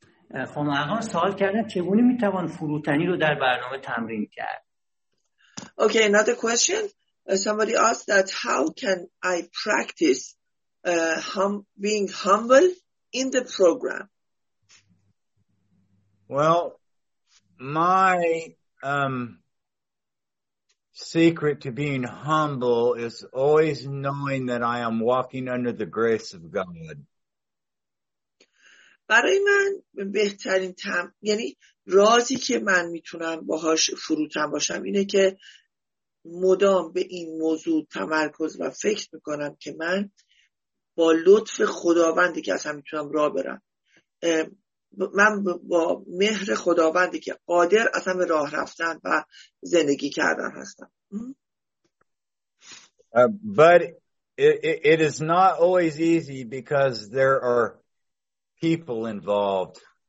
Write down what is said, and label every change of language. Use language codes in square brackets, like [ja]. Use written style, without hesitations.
[fa] خب آقایان سوال کردن چگونه میتوان فروتنی رو در برنامه تمرین کرد. [en] Okay, another question. Somebody asked that how can I practice being humble in the program? Well, my secret to being humble is always knowing that I am walking under the grace of God. [fa] برای من بهترین یعنی رازی که من میتونم باهاش فروتن باشم اینه که مدام به این موضوع تمرکز و فکر میکنم که من با لطف خداوندی که اصلا میتونم راه برم، من با مهر خداوندی که قادر اصلا به راه رفتن و زندگی کردن هستم. [en] But it is not always easy because there are people involved.